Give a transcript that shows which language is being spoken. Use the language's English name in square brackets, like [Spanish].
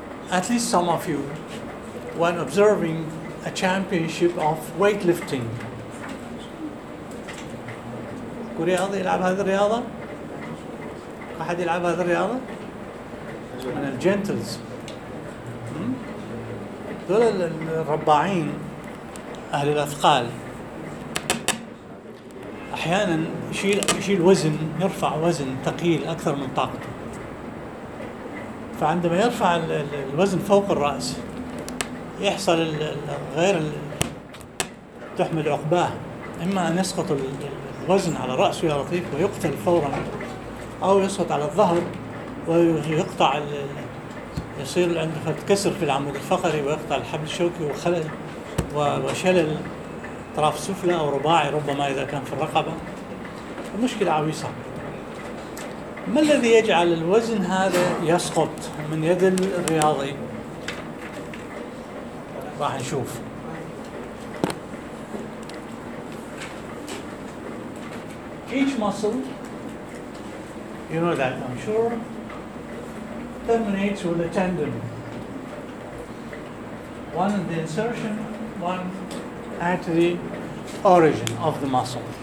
[English] At least some of you, when observing a championship of weightlifting, [Arabic] رياضة يلعب هذه الرياضة؟ أحد يلعب هذه الرياضة؟ من الجنتلز. دول الرباعين أهل الأثقال. أحيانا يشيل وزن، يرفع وزن ثقيل أكثر من طاقته. فعندما يرفع الوزن فوق الرأس يحصل غير تحمل عقباه، إما أن يسقط الوزن على رأسه يا لطيف ويقتل فورا، أو يسقط على الظهر ويقطع، يصير عنده كسر في العمود الفقري ويقطع الحبل الشوكي وخلل وشلل طرف سفلى أو رباعي ربما إذا كان في الرقبة، المشكلة عويصة. ما الذي يجعل الوزن هذا يسقط من يد الرياضي؟ راح نشوف. [English] Each muscle, you know that I'm sure, terminates with a tendon. One at the insertion, one at the origin of the muscle.